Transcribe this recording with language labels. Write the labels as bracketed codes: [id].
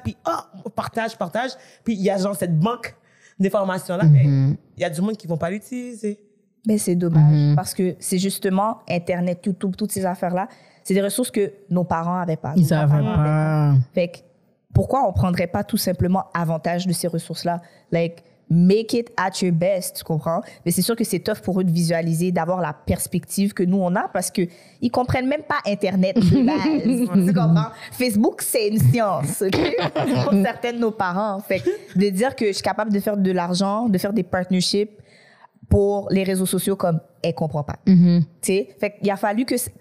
[fr] Puis, oh, partage. Puis, il y a genre cette banque d'informations-là. Mm-hmm. Il y a du monde qui ne vont pas l'utiliser. Mais c'est dommage, parce que c'est justement Internet, YouTube, toutes ces affaires-là, c'est des ressources que nos parents n'avaient pas. Ils n'avaient pas. Fait que, pourquoi on ne prendrait pas tout simplement avantage de ces ressources-là? [en] Like, make it at your best, [fr] tu comprends? Mais c'est sûr que c'est tough pour eux de visualiser, d'avoir la perspective que nous, on a, parce qu'ils ne comprennent même pas Internet de base, tu comprends? Facebook, c'est une science, OK? Pour certains de nos parents, fait de dire que je suis capable de faire de l'argent, de faire des partnerships pour les réseaux sociaux, comme, elle ne comprend pas. Mm-hmm. Tu sais? Fait qu'il a fallu que...